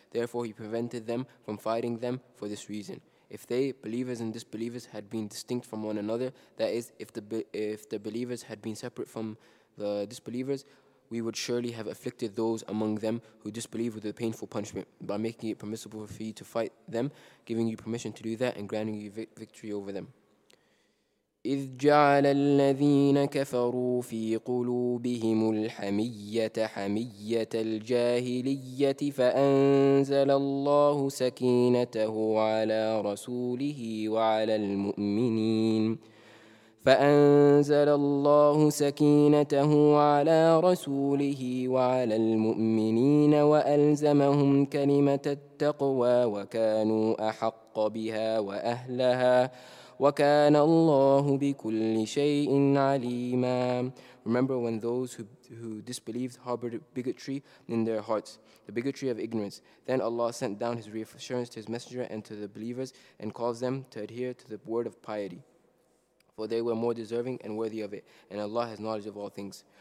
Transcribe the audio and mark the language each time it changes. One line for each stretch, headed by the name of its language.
English: Therefore, He prevented them from fighting them for this reason. If they, believers and disbelievers, had been distinct from one another, that is, if the believers had been separate from the disbelievers, we would surely have afflicted those among them who disbelieve with a painful punishment by making it permissible for you to fight them, giving you permission to do that and granting you victory over them.
Arabic: إذ جعل الذين كفروا في قلوبهم الحمية حمية الجاهلية فأنزل الله سكينته على رسوله وعلى المؤمنين فأنزل الله سكينته على رسوله وعلى المؤمنين وألزمهم كلمة التقوى وكانوا أحق بها وأهلها وكان الله بكل شيء عليما.
English: Remember when those who disbelieved harbored bigotry in their hearts, the bigotry of ignorance. Then Allah sent down His reassurance to His Messenger and to the believers and caused them to adhere to the word of piety. For they were more deserving and worthy of it, and Allah has knowledge of all things.